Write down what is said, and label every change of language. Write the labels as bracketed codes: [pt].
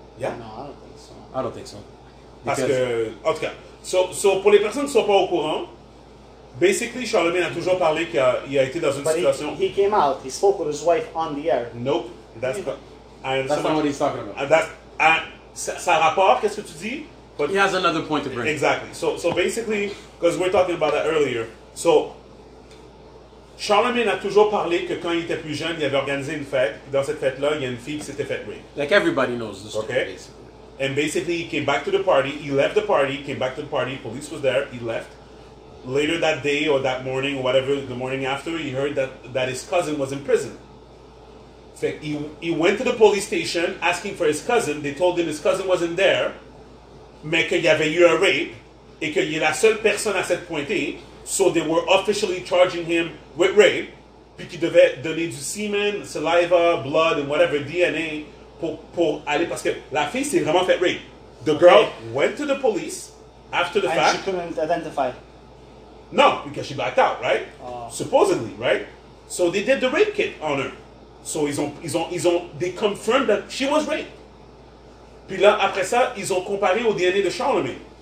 [en] Yeah. No, I don't think so. I don't think so. Because... [fr] Parce que, en tout cas... So, pour les personnes qui ne sont pas au courant, basically, Charlemagne a toujours parlé qu'il a été dans une situation... [en] He came out. He spoke with his wife on the air. Nope. That's, that's not what he's talking about. [fr] Ça rapporte, qu'est-ce que tu dis? [en] But he has another point to bring. Exactly. So basically, because we're talking about that earlier. [fr] So, Charlemagne a toujours parlé que quand il était plus jeune, il avait organisé une fête. Dans cette fête-là, il y a une fille qui s'était faite rape. [en] Like everybody knows the story, okay. Basically. And basically, he came back to the party. He left the party, came back to the party. Police was there. He left. Later that day or that morning or whatever, the morning after, he heard that his cousin was in prison. So he went to the police station asking for his cousin. They told him his cousin wasn't there, [fr] mais qu'il y avait eu un rape et qu'il est la seule personne à cette pointée. [en] So they were officially charging him with rape. [fr] Puis qu'il devait donner du [en] semen, saliva, blood, and whatever, DNA. [fr] Pour aller parce que la fille s'est vraiment fait rape. [en] The girl went to the police after the and fact. And she couldn't identify. No, because she blacked out, right? Supposedly, right? So they did the rape kit on her. So they confirmed that she was raped. [fr] Puis là, après ça, ils ont comparé au DNA de Charlemagne.